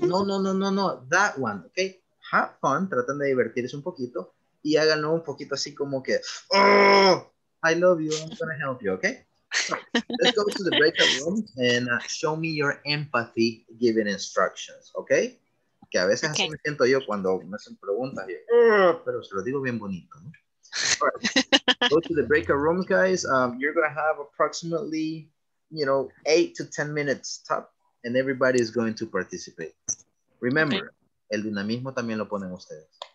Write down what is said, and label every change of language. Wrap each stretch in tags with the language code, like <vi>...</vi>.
<en>No, that one, okay? Have fun, traten de divertirse un poquito y háganlo un poquito así como que, oh, I love you, I'm gonna help you, okay? Let's go to the breakout room and show me your empathy giving instructions, okay?</en> <es>Que a veces okay. Así me siento yo cuando me hacen preguntas, yo, pero se lo digo bien bonito, ¿no?</es> <en>All right. Go to the breakout room, guys. You're going to have approximately, you know, 8 to 10 minutes top, and everybody is going to participate.</en> <es>Remember, okay. El dinamismo también lo ponen ustedes.</es>